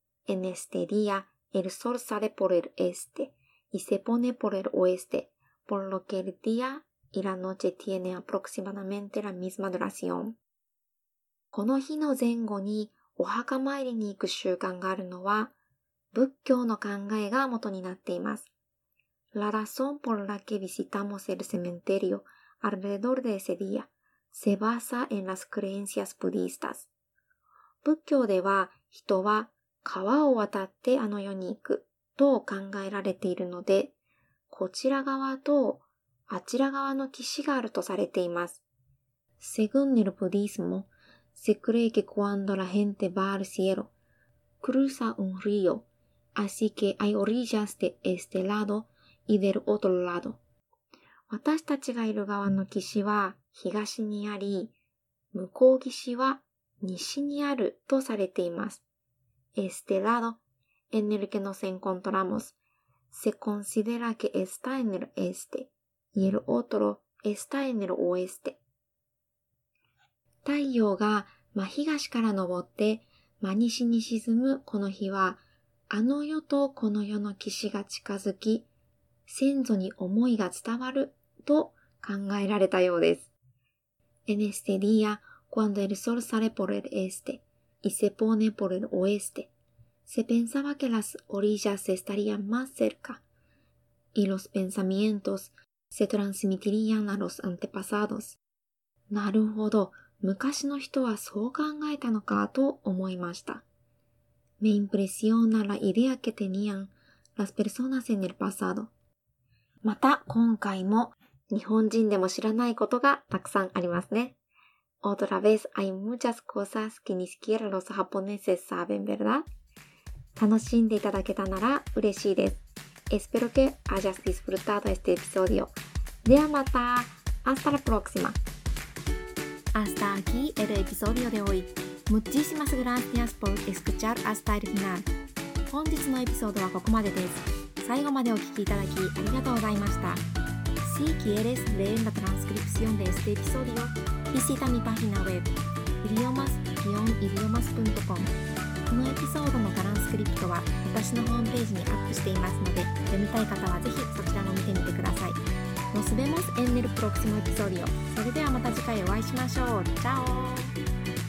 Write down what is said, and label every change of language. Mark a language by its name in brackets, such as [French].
[Spanish] En este día,El sol sale por el este y se pone por el oeste, por lo que el día y la noche tienen aproximadamente la misma duración. [Japanese] この日の前後にお墓参りに行く習慣があるのは、仏教の考えが元になっています。 [Spanish] La razón por la que visitamos el cementerio alrededor de ese día se basa en las creencias budistas. [Japanese] 仏教では人は川を渡ってあの世に行くと考えられているので、こちら側とあちら側の岸があるとされています。 [Spanish] Según el budismo, se cree que cuando la gente va al cielo, cruza un río, así que hay orillas de este lado y del otro lado. [Japanese] 私たちがいる側の岸は東にあり、向こう岸は西にあるとされています。 [Spanish] Este lado en el que nos encontramos se considera que está en el este y el otro está en el oeste. [Japanese] 太陽が真東から昇って真西に沈むこの日は、あの世とこの世の岸が近づき、先祖に思いが伝わると考えられたようです。 [Spanish] En este día, cuando el sol sale por el este,Y se pone por el oeste. Se pensaba que las orillas estarían más cerca. Y los pensamientos se transmitirían a los antepasados. [Japanese] なるほど。昔の人はそう考えたのかと思いました。 [Spanish] Me impresiona la idea que tenían las personas en el pasado. [Japanese] また今回も日本人でも知らないことがたくさんありますね。 [Spanish] Otra vez hay muchas cosas que ni siquiera los japoneses saben, ¿verdad? [Japanese] 楽しんでいただけたなら嬉しいです。 [Spanish] Espero que hayas disfrutado este episodio. [Japanese] ではまた。 [Spanish] Hasta la próxima. Hasta aquí el episodio de hoy. Muchísimas gracias por escuchar hasta el final. [Japanese] 本日のエピソードはここまでです。最後までお聞きいただきありがとうございました。 [Spanish] Si quieres leer la transcripción de este episodio, visita mi página web, idiomas-idiomas.com. [Japanese] このエピソードのトランスクリプトは私のホームページにアップしていますので、読みたい方はぜひそちらも見てみてください。 [Spanish] ノスベモスエンネルプロクシモエピソディオ。 [Japanese] それではまた次回お会いしましょう。チャオ。